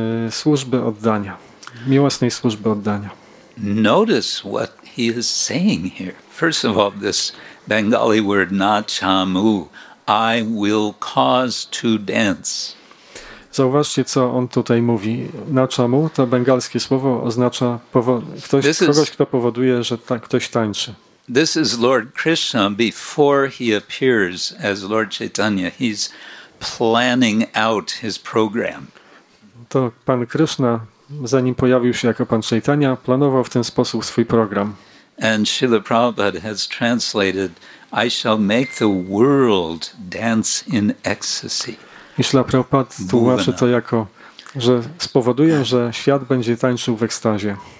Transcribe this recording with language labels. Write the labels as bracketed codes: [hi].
[pl] służby oddania, miłosnej służby oddania. [en] Notice what he is saying here. First of all, this Bengali word nachamu, I will cause to dance. [pl] Zauważcie, co on tutaj mówi. Nachamu, to bengalskie słowo oznacza kogoś, kto powoduje, że ktoś tańczy. [en] This is Lord Krishna before he appears as Lord Chaitanya. He's planning out his program. [pl] To Pan Krishna, zanim pojawił się jako Pan Chaitanya, planował w ten sposób swój program. [en] And Srila Prabhupada has translated, I shall make the world dance in ecstasy. [pl] I Srila Prabhupada tłumaczy to jako, że spowoduje, że świat będzie tańczył w ekstazie.